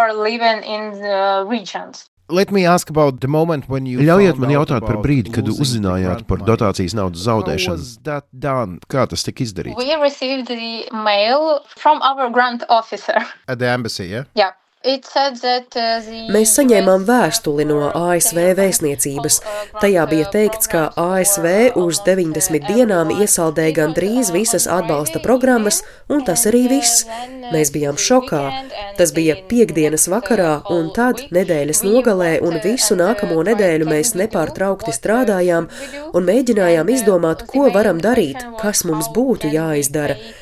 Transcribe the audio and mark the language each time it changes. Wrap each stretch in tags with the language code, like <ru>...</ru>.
<en>Let me ask about the moment when you</en> <lv>Ļaujiet man jautāt par brīdi, kad uzzinājāt par dotācijas naudas zaudēšanu. Kā tas tika izdarīts?</lv> <en>We received the mail from our grant officer. At the embassy, yeah? Yeah. It said that</en> <lv>Mēs saņēmām vēstuli no ASV vēstniecības. Tajā bija teikts, ka ASV uz 90 dienām iesaldē gandrīz visas atbalsta programmas, un tas arī viss. Mēs bijām šokā. Tas bija piektdienas vakarā, un tad nedēļas nogalē, un visu nākamo nedēļu mēs nepārtraukti strādājām un mēģinājām izdomāt, ko varam darīt, kas mums būtu jāizdara.</lv>